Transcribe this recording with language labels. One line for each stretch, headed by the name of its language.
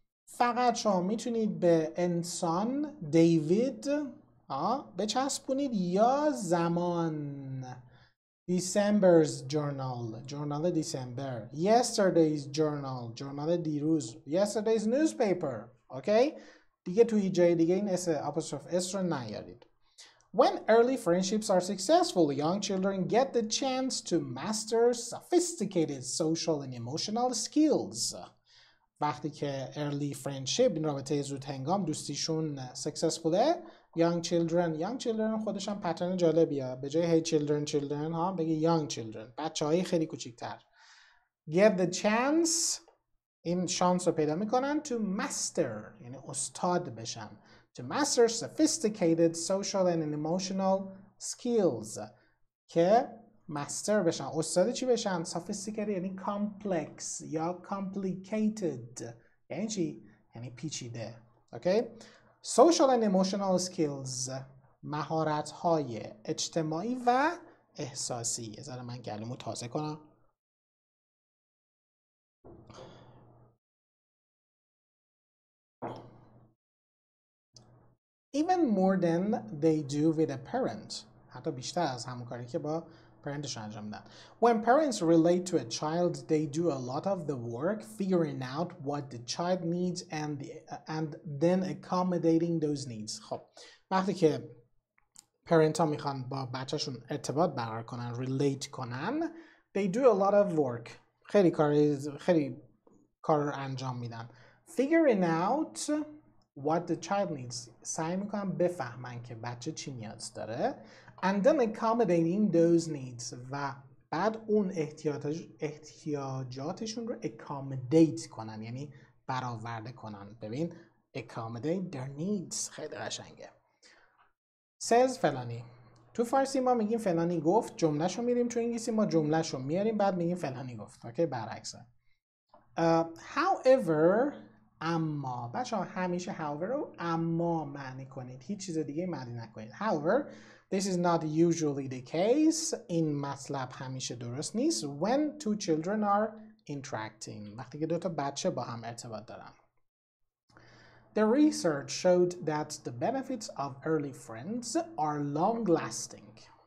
Persian: فقط شما میتونید به انسان دیوید بچسبونید یا زمان دیسمبرز جورنال، جورنال دیسمبر، یسترداییز جورنال، جورنال دیروز، یسترداییز نیوزپیپر. اوکی دیگه توی جای دیگه این اس اپوستروف اس رو نیارید.
English: When early friendships are successful, young children get the chance to master sophisticated social and emotional skills.
Persian: وقتی که early friendship این رابطه زود هنگام دوستیشون successfulه، young children خودش هم پترن جالبیه، به جای hey children ها بگی young children، بچه های خیلی کوچیک‌تر،
English: get the chance،
Persian: این شانس رو پیدا میکنن
English: to master، یعنی استاد بشن، to master sophisticated social and emotional skills،
Persian: که master بشن. استاد چی بشن؟ sophisticated یعنی complex یا complicated، یعنی چی؟ یعنی پیچیده. اوکی
English: social and emotional skills
Persian: مهارت های اجتماعی و احساسی. بذار من گلومو تازه کنم.
English: Even more than they do with a parent.
Persian: حتی بیشتر از همون کاری که با پرندشون انجام میدن.
English: When parents relate to a child, they do a lot of the work figuring out what the child needs and then accommodating those needs.
Persian: خب وقتی که پرنت ها میخوان با بچهشون ارتباط برقرار کنن، relate کنن،
English: they do a lot of work.
Persian: خیلی کار انجام میدن.
English: Figuring out what the child needs،
Persian: سعی میکنم بفهمن که بچه چی نیاز داره،
English: and then accommodating those needs،
Persian: و بعد اون احتیاجاتشون رو accommodate کنن، یعنی برآورده کنن. ببین
English: accommodate their needs
Persian: خیلی قشنگه. says فلانی، تو فارسی ما میگیم فلانی گفت، جمله شو میریم، تو انگلیسی ما جمله شو میاریم بعد میگیم فلانی گفت. اوکی برعکسه.
English: However
Persian: اما بچه ها همیشه however رو اما معنی کنید، هیچ چیز دیگه معنی نکنید.
English: However, this is not usually the case.
Persian: این مطلب همیشه درست نیست.
English: When two children are interacting.
Persian: وقتی که دو تا بچه با هم ارتباط دارن.
English: The research showed that the benefits of early friends are long-lasting.